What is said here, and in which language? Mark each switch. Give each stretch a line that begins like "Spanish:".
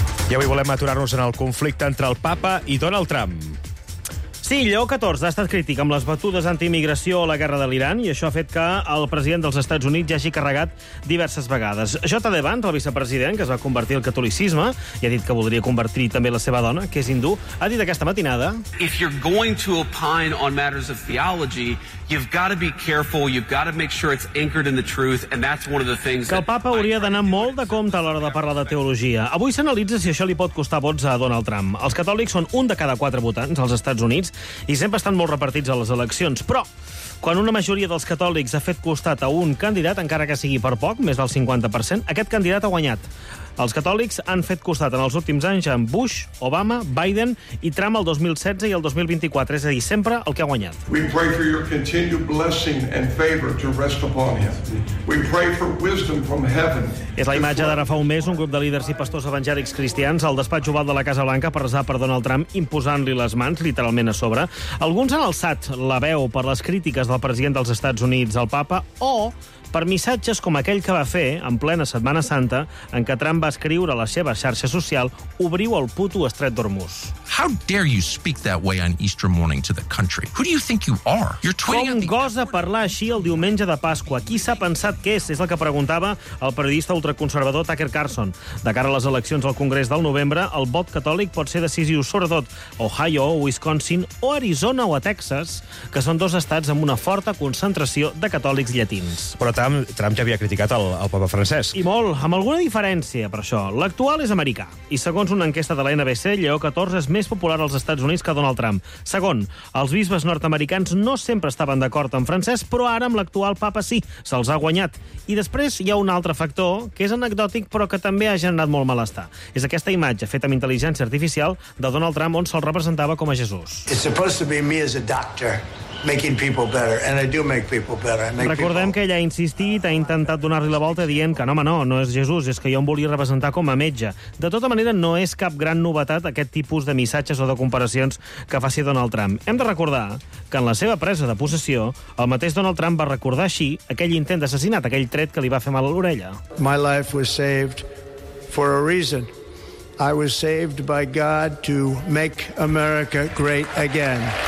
Catalan: I avui volem aturar-nos en el conflicte entre el papa i Donald Trump. Sí, Lleó XIV ha estat crític amb les batudes anti-immigració a la guerra de l'Iran i això ha fet que el president dels Estats Units ja hagi carregat diverses vegades. Jota de Vance, el vicepresident, que es va convertir al catolicisme i ha dit que voldria convertir també la seva dona, que és hindú, ha dit aquesta matinada...
English: If you're going to opine on matters of theology, you've got to be careful, you've got to make sure it's anchored in the truth, and that's one of the things...
Catalan: Que el papa hauria d'anar molt de compte a l'hora de parlar de teologia. Avui s'analitza si això li pot costar vots a Donald Trump. Els catòlics són un de cada quatre votants als Estats Units i sempre estan molt repartits a les eleccions. Però, quan una majoria dels catòlics ha fet costat a un candidat, encara que sigui per poc, més del 50%, aquest candidat ha guanyat. Els catòlics han fet costat en els últims anys amb Bush, Obama, Biden i Trump el 2016 i el 2024, és a dir, sempre el que ha guanyat.
English: We pray for your continued blessing and favor to rest upon him. We pray for wisdom from heaven.
Catalan: És la imatge d'ara fa un mes, un grup de líders i pastors evangèlics cristians al despatx oval de la Casa Blanca per resar per Donald Trump, imposant-li les mans, literalment a sobre. Alguns han alçat la veu per les crítiques del president dels Estats Units al papa o per missatges com aquell que va fer en plena Setmana Santa, en què Trump va escriure a la seva xarxa social "Obriu el puto estret d'Hormuz".
English: How dare you speak that way on Easter morning to the country? Who do you think you are? You're tweeting.
Catalan: Com gosa parlar així el diumenge de Pasqua? Qui s'ha pensat que és? És el que preguntava el periodista ultraconservador Tucker Carlson. De cara a les eleccions al Congrés del novembre, el vot catòlic pot ser decisiu, sobretot a Ohio, Wisconsin o Arizona o a Texas, que són dos estats amb una una forta concentració de catòlics llatins. Però Trump ja havia criticat el Papa Francesc. I molt, amb alguna diferència, per això. L'actual és americà. I segons una enquesta de la NBC, Lleó XIV és més popular als Estats Units que Donald Trump. Segon, els bisbes nord-americans no sempre estaven d'acord amb Francesc, però ara amb l'actual Papa sí, se'ls ha guanyat. I després hi ha un altre factor, que és anecdòtic, però que també ha generat molt malestar. És aquesta imatge, feta amb intel·ligència artificial, de Donald Trump, on se'l representava com a Jesús.
English: It's supposed to be me as a doctor, making people better, and I do make people better.
Catalan: Recordem que ell ha insistit, ha intentat donar-li la volta, dient que no és Jesús, és que jo em volia representar com a metge. De tota manera, no és cap gran novetat aquest tipus de missatges o de comparacions que faci Donald Trump. Hem de recordar que en la seva presa de possessió, el mateix Donald Trump va recordar així aquell intent d'assassinat, aquell tret que li va fer mal a l'orella.
English: My life was saved for a reason. I was saved by God to make America great again.